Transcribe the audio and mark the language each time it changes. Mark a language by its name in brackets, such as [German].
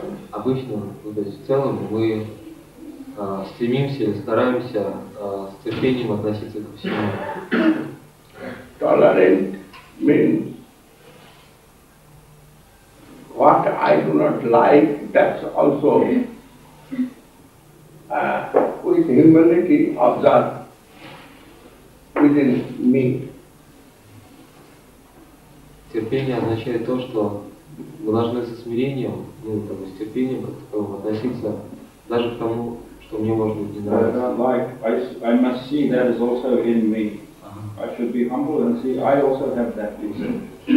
[Russian] Обычно, в целом, мы стремимся, стараемся с терпением относиться ко всему. [English] Tolerant means what I do not like, that's also with humility observed within me. [Russian] Терпение означает то, что мы должны со смирением, с терпением относиться даже к тому, что мне может быть не нравится. [English] I must see that is also in me. I should be humble and see I also have that reason.